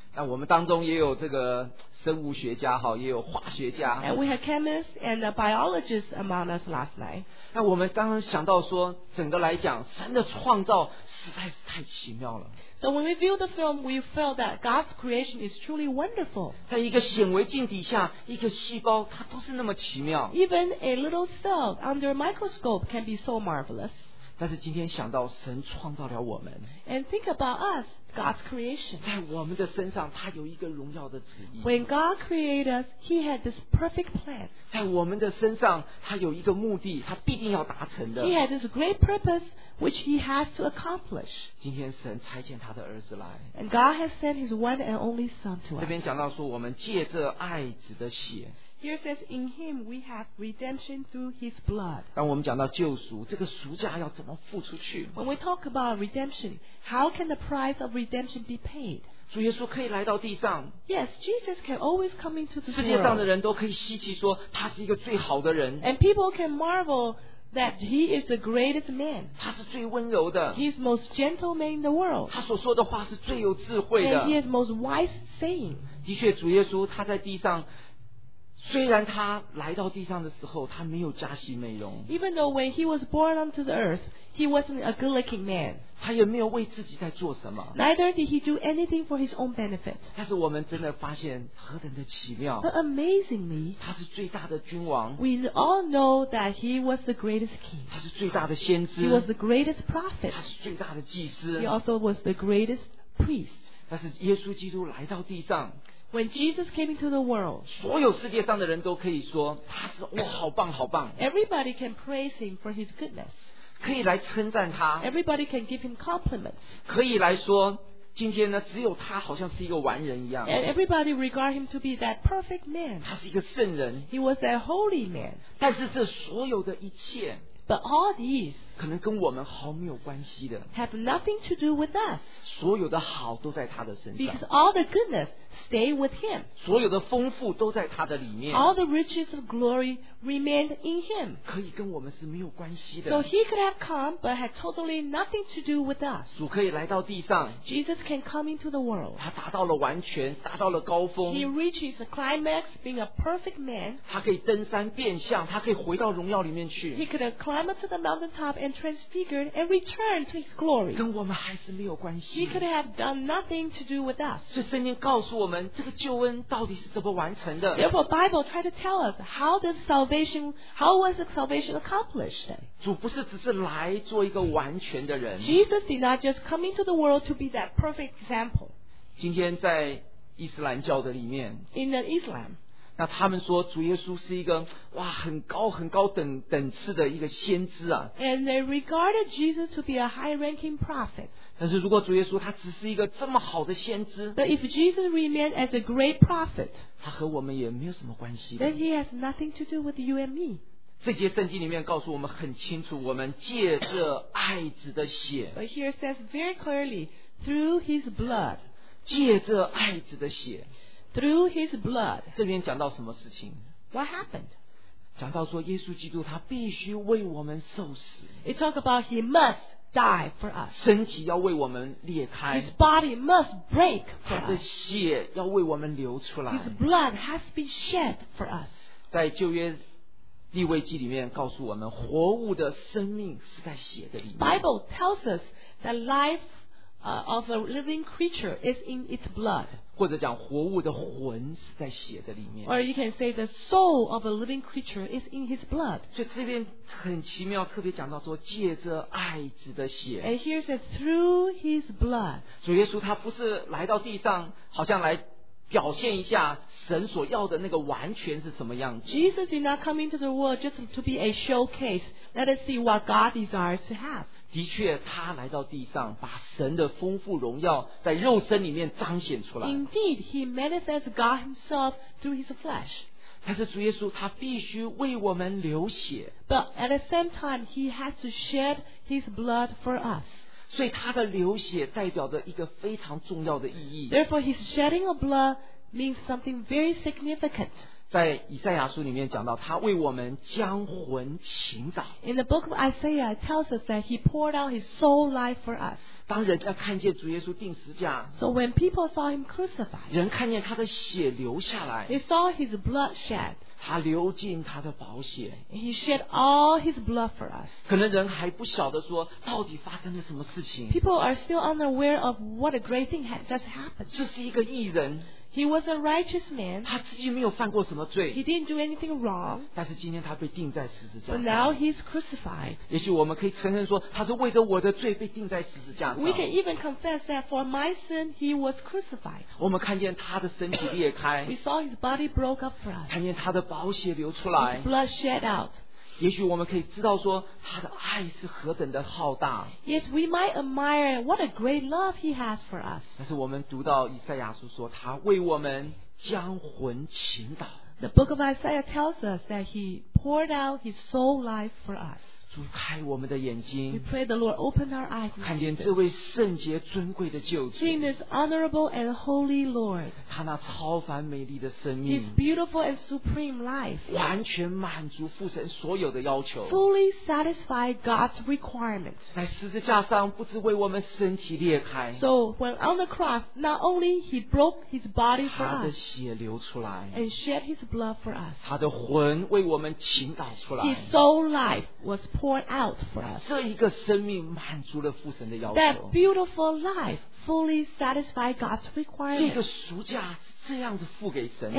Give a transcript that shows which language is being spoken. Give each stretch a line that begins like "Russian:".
Chinese: 那我们当中也有这个生物学家哈，也有化学家。
English: And we had chemists and biologists among us last night.
Chinese: 那我们刚刚想到说，整个来讲，神的创造实在是太奇妙了。
English: So when we viewed the film, we felt that God's creation is truly wonderful.
Chinese: 在一个显微镜底下，一个细胞它都是那么奇妙。
English: Even a little cell under a microscope can be so marvelous.
Chinese: 但是今天想到神创造了我们
English: And think about us, God's creation.
Chinese: 在我们的身上他有一个荣耀的旨意
English: When God created us, he had this perfect plan.
Chinese: 在我们的身上他有一个目的他必定要达成的
English: He had this great purpose which he has to accomplish.
Chinese: 今天神差遣他的儿子来
English: And God has sent his one and only son to us.
Chinese: 这边讲到说我们借着爱子的血
English: Here says, in him we have redemption through his blood.
Chinese: 当我们讲到救赎，这个赎价要怎么付出去？
English: When we talk about redemption, how can the price of redemption be paid?
Chinese: 主耶稣可以来到地上。
English: Yes, Jesus can always come into the world.
Chinese: 世界上的人都可以稀奇说他是一个最好的人。
English: And people can marvel that he is the greatest man.
Chinese: 他是最温柔的。
English: He is most gentle man in the world.
Chinese: 他所说的话是最有智慧的。
English: And he has most wise saying.
Chinese: 的确，主耶稣他在地上。虽然他来到地上的时候，他没有加洗美容。
English: Even though when he was born onto the earth, he wasn't a good-looking man.
Chinese: 他也没有为自己在做什么。
English: Neither did he do anything for his own benefit.
Chinese: 但是我们真的发现何等的奇妙。
English: But amazingly,
Chinese: 他是最大的君王。
English: We all know that he was the greatest king.
Chinese: 他是最大的先知。
English: He was the greatest prophet.
Chinese: 他是最大的祭司。
English: He also was the greatest priest.
Chinese: 但是耶稣基督来到地上。
English: When Jesus came into the world,
Chinese: 所有世界上的人都可以说他是哇，好棒，好棒。
English: Everybody can praise him for his goodness.
Chinese: 可以来称赞他。
English: Everybody can give him compliments.
Chinese: 可以来说今天呢，只有他好像是一个完人一样。
English: And everybody regard him to be that perfect man.
Chinese: 他是一个圣人。
English: He was a holy man.
Chinese: 但是这所有的一切。
English: But all these
Chinese: 可能跟我们毫没有关系的
English: have nothing to do with us.
Chinese: 所有的好都在他的身上
English: because all the goodness stay with him.
Chinese: 所有的丰富都在他的里面
English: all the riches of glory remain in him.
Chinese: 可以跟我们是没有关系的
English: so he could have come but had totally nothing to do with us.
Chinese: 主可以来到地上
English: Jesus can come into the world.
Chinese: 他达到了完全，达到了高峰
English: he reaches the climax being a perfect man.
Chinese: 他可以登山变相，他可以回到荣耀里面去
English: he could have climbed up to the mountaintop and transfigured and returned to his glory.
Chinese: 跟我们还是没有关系。
English: He could have done nothing to do with us.
Chinese: 所以圣经告诉我们，这个救恩到底是怎么完成的。
English: Therefore, Bible tried to tell us how the salvation, how was the salvation accomplished?
Chinese: 主不是只是来做一个完全的人。
English: Jesus did not just come into the world to be that perfect example.
Chinese: 今天在伊斯兰教的里面。
English: In the Islam.
Chinese: 那他们说主耶稣是一个哇很高很高 等次的一个先知啊
English: And they regarded Jesus to be a high ranking prophet
Chinese: 但是如果主耶稣他只是一个这么好的先知
English: But if Jesus remained as a great prophet
Chinese: 他和我们也没有什么关系
English: Then he has nothing to do with you and me
Chinese: 这节圣经里面告诉我们很清楚我们借着爱子的血
English: But here says very clearly through his blood
Chinese: 借着爱子的血
English: Through his blood.
Chinese: 这边讲到什么事情
English: What happened?
Chinese: 讲到说耶稣基督他必须为我们受死
English: It talk about he must die for us.
Chinese: 身体要为我们裂开
English: His body must break for us.
Chinese: 他的血要为我们流出来
English: His blood has been shed for us.
Chinese: 在旧约利未记里面告诉我们活物的生命是在血的里面
English: Bible tells us that lifeof a living creature is in its blood
Chinese: 或者讲活物的魂是在血的里面
English: or you can say the soul of a living creature is in his blood
Chinese: 所以这边很奇妙特别讲到说借着爱子的血
English: and here it says through his blood
Chinese: 主耶稣他不是来到地上好像来表现一下神所要的那个完全是什么样子
English: Jesus did not come into the world just to be a showcase let us see what God desires to have
Chinese: 的确他来到地上把神的丰富荣耀在肉身里面彰显出来
English: Indeed, he manifests God himself through his flesh
Chinese: 但是主耶稣他必须为我们流血
English: But at the same time, he has to shed his blood for us
Chinese: 所以他的流血代表着一个非常重要的意义
English: Therefore, his shedding of blood means something very significant
Chinese: 在以赛亚书里面讲到他为我们将魂倾倒
English: In the book of Isaiah it tells us that he poured out his soul life for us
Chinese: 当人家看见主耶稣钉十字架
English: So when people saw him crucified
Chinese: 人看见他的血流下来
English: They saw his blood shed
Chinese: 他流进他的宝血
English: He shed all his blood for us
Chinese: 可能人还不晓得说到底发生了什么事情
English: People are still unaware of what a great thing had just happened
Chinese: 这是一个义人
English: He was a righteous man.
Chinese: 他自己没有犯过什么罪。
English: He didn't do anything wrong.
Chinese: 但是今天他被钉在十字架上。
English: But now he's crucified.
Chinese: 也许我们可以承认说，他是为着我的罪被钉在十字架上。
English: We can even confess that for my sin he was crucified.
Chinese: 我们看见他的身体裂开。
English: We saw his body broke up for us.
Chinese: 看见他的宝血流出来。
English: His blood shed out.
Chinese: 也许我们可以知道说他的爱是何等的浩大
English: Yes, we might admire what a great love he has for us
Chinese: 但是我们读到以赛亚书说他为我们将魂倾倒
English: The book of Isaiah tells us that he poured out his soul life for us.
Chinese: 主开我们的眼睛。
English: We pray the Lord open our eyes.
Chinese: 看见这位圣洁尊贵的救主。
English: Seeing this honorable and holy Lord.
Chinese: 他那超凡美丽的生命。
English: His beautiful and supreme life.
Chinese: 完全满足父神所有的要求。
English: Fully satisfied God's requirements.
Chinese: 在十字架上不只为我们身体裂开。
English: So when on the cross, not only he broke his body for us.
Chinese: 他的血流出来。
English: And shed his blood for us.
Chinese: 他的魂为我们倾倒出来。
English: His soul life was poured out for us.
Chinese: 这一个生命满足了父神的要求。
English: That beautiful life fully satisfied God's requirement.
Chinese: 这个赎价是这样子付给神的。